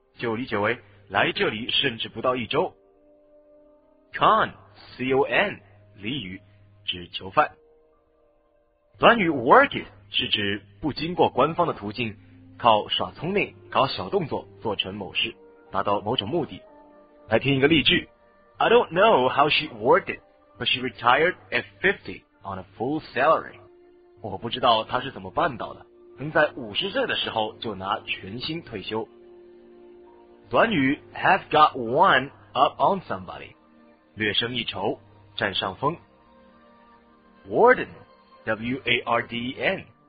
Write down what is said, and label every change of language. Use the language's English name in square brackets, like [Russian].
[Chinese] 就理解为来这里甚至不到一周。 [English] Con, C-O-N, [Chinese] 俚语指囚犯。短语 work it 是指不经过官方的途径，靠耍聪明搞小动作做成某事，达到某种目的。来听一个例句。 [English] I don't know how she worked itBut she retired at 50 on a full salary. [Chinese] 我不知道她是怎么办到的，能在50岁的时候就拿全薪退休。短语 [English] have got one up on somebody, [Chinese] 略胜一筹，占上风。 [English] Warden, W-A-R-D-E-N,